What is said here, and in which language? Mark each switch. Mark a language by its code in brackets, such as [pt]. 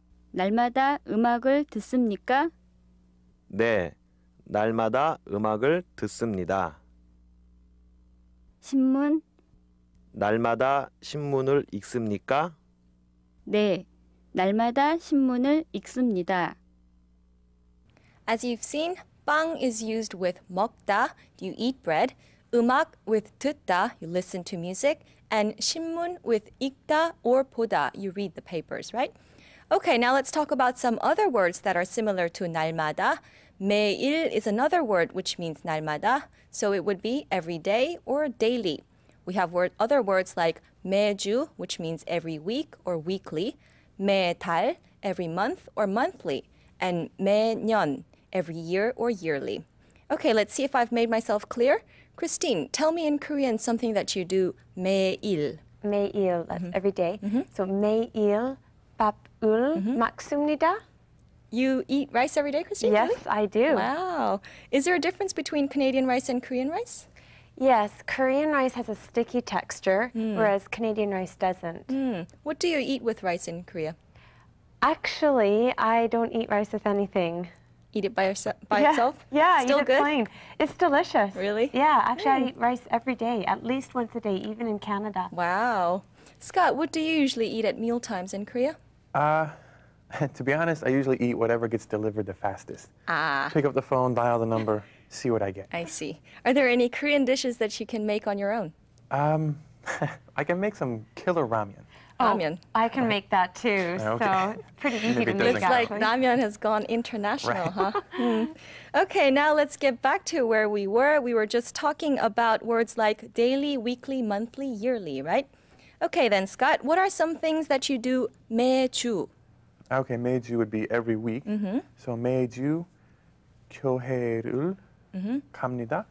[ko] 날마다 음악을 듣습니까? 네, 날마다 음악을 듣습니다. 신문. 날마다 신문을 읽습니까? 네, 날마다 신문을 읽습니다. [en] As you've seen, 빵 is used with 먹다, you eat bread, 음악 with 듣다, you listen to music, and 신문 with 읽다 or 보다, you read the papers, right? Okay, now let's talk about some other words that are similar to 날마다. 매일 is another word which means 날마다, so it would be every day or daily. We have other words like 매주, which means every week or weekly, 매달, every month or monthly, and 매년, every year or yearly. Okay, let's see if I've made myself clear. Christine, tell me in Korean something that you do 매일. 매일, that's every day. [ko] So 매일 밥을 먹습니다. [en] You eat rice every day, Christine? Yes, I do. Wow. Is there a difference between Canadian rice and Korean rice? Yes, Korean rice has a sticky texture, whereas Canadian rice doesn't. What do you eat with rice in Korea? Actually, I don't eat rice with anything. Eat it by itself? Yeah, still eat it good? Plain. It's delicious. Really? Yeah, actually I eat rice every day, at least once a day, even in Canada. Wow. Scott, what do you usually eat at mealtimes in Korea? To be honest, I usually eat whatever gets delivered the fastest. Pick up the phone, dial the number, see what I get. I see. Are there any Korean dishes that you can make on your own? I can make some killer ramen. Ramen. I can make that too, so pretty easy to make. Looks like ramen has gone international, Okay, now let's get back to where we were. We were just talking about words like daily, weekly, monthly, yearly, right? Okay then, Scott, what are some things that you do 매주? Okay, 매주 would be every week. [ko] So 매주 교회를 갑니다.